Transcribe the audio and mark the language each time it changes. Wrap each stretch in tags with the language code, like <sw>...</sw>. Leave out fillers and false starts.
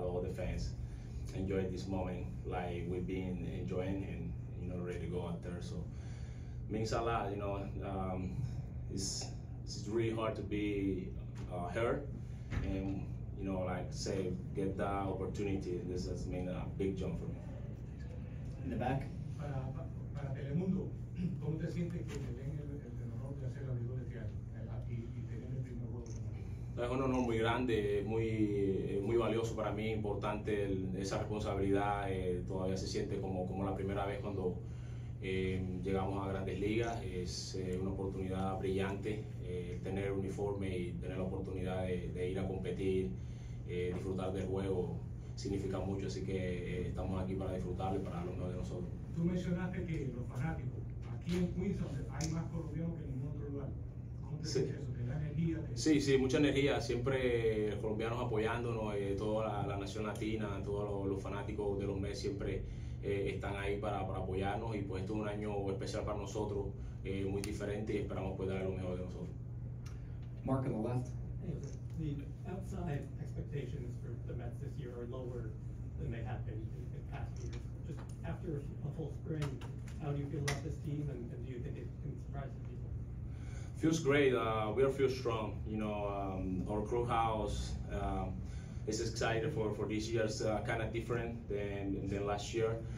<en>All the fans enjoyed this moment, like we've been enjoying, and you know, ready to go out there. So means a lot. You know, it's really hard to be hurt, and you know, like say, get that opportunity. This has been a big jump for me. In the back.</en> <es>Para Telemundo, ¿cómo te sientes que te den el honor de hacer la vigor de y tener el primer juego? Es un honor muy grande, muy valioso para mí, importante esa responsabilidad. Todavía se siente como la primera vez cuando llegamos a Grandes Ligas. Es una oportunidad brillante tener el uniforme y tener la oportunidad de ir a competir, disfrutar del juego. Significa mucho, así que estamos aquí para disfrutarlo y para lo mejor de nosotros. Tú mencionaste que los fanáticos, aquí en Queens hay más colombianos que en ningún otro lugar. ¿Cómo te dices eso? Sí, sí, mucha energía. Siempre los colombianos apoyándonos, toda la nación latina, todos los fanáticos de los Mets siempre están ahí para apoyarnos y pues esto es un año especial para nosotros, muy diferente y esperamos poder dar lo mejor de nosotros.</es> <en>Mark on the left. The outside expectations for the Mets this year are lower than they have been in past years. Just after a full spring, how do you feel about this team and do you think it can surprise the people? Feels great. We all feel strong. You know, our crew house is excited for this year's kind of different than last year.</en>